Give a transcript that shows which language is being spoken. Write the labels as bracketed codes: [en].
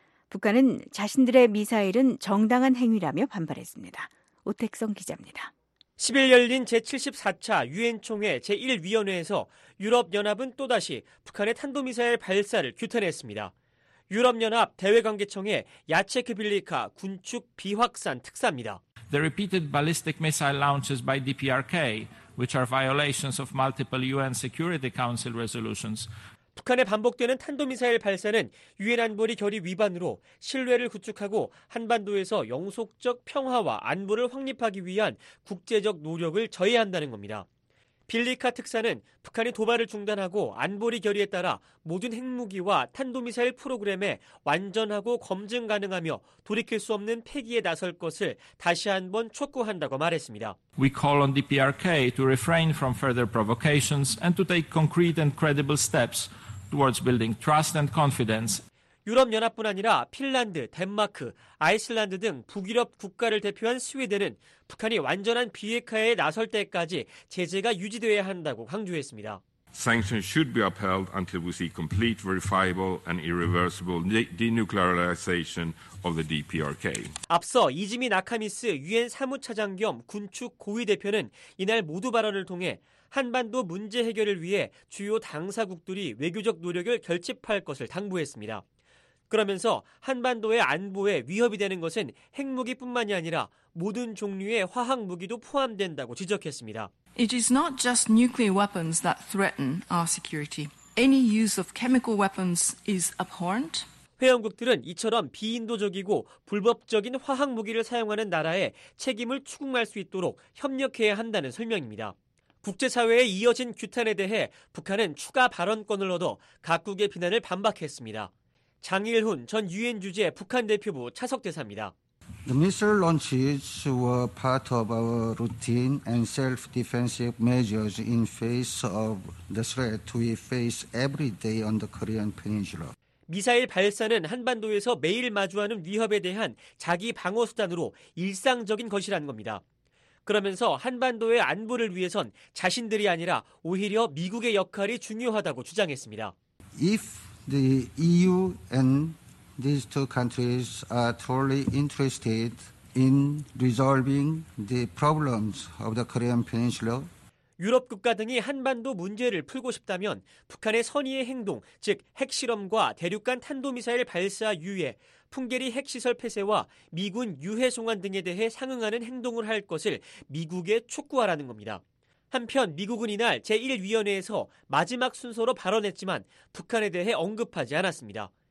[ko] 북한은 자신들의 미사일은 정당한 행위라며 반발했습니다. 오택성 기자입니다. 10일 열린 제74차 유엔총회 제1위원회에서 유럽연합은 또다시 북한의 탄도미사일 발사를 규탄했습니다. 유럽연합 대외관계청의 야체크빌리카 군축 비확산 특사입니다. [en] The repeated ballistic missile launches by DPRK, which are violations of multiple UN Security Council resolutions. [ko] 북한의 반복되는 탄도미사일 발사는 유엔 안보리 결의 위반으로 신뢰를 구축하고 한반도에서 영속적 평화와 안보를 확립하기 위한 국제적 노력을 저해한다는 겁니다. 빌리카 특사는 북한이 도발을 중단하고 안보리 결의에 따라 모든 핵무기와 탄도미사일 프로그램에 완전하고 검증 가능하며 돌이킬 수 없는 폐기에 나설 것을 다시 한번 촉구한다고 말했습니다. [en] We call on DPRK to refrain from further provocations and to take concrete and credible steps towards building trust and confidence. [ko] 유럽연합뿐 아니라 핀란드, 덴마크, 아이슬란드 등 북유럽 국가를 대표한 스웨덴은 북한이 완전한 비핵화에 나설 때까지 제재가 유지돼야 한다고 강조했습니다. [en] Sanctions should be upheld until we see complete, verifiable and irreversible denuclearization of the DPRK. [ko] 앞서 이지미 나카미스 유엔 사무차장 겸 군축 고위 대표는 이날 모두 발언을 통해 한반도 문제 해결을 위해 주요 당사국들이 외교적 노력을 결집할 것을 당부했습니다. 그러면서 한반도의 안보에 위협이 되는 것은 핵무기뿐만이 아니라 모든 종류의 화학 무기도 포함된다고 지적했습니다. [en] It is not just nuclear weapons that threaten our security. Any use of chemical weapons is abhorrent. [ko] 회원국들은 이처럼 비인도적이고 불법적인 화학 무기를 사용하는 나라에 책임을 추궁할 수 있도록 협력해야 한다는 설명입니다. 국제사회에 이어진 규탄에 대해 북한은 추가 발언권을 얻어 각국의 비난을 반박했습니다. 장일훈 전 유엔 주재 북한 대표부 차석 대사입니다. [en] The missile launches were part of our routine and self-defensive measures in face of the threat we face every day on the Korean Peninsula. [ko] 미사일 발사는 한반도에서 매일 마주하는 위협에 대한 자기 방어 수단으로 일상적인 것이라는 겁니다. 그러면서 한반도의 안보를 위해선 자신들이 아니라 오히려 미국의 역할이 중요하다고 주장했습니다. [en] If the EU and these two countries are totally interested in resolving the problems of the Korean Peninsula, [ko] 유럽 국가 등이 한반도 문제를 풀고 싶다면 북한의 선의의 행동, 즉 핵실험과 대륙간 탄도미사일 발사 유예, 풍계리 핵시설 폐쇄와 미군 유해 송환 등에 대해 상응하는 행동을 할 것을 미국에 촉구하라는 겁니다. 한편 미국은 이날 제1위원회에서 마지막 순서로 발언했지만 북한에 대해 언급하지 않았습니다.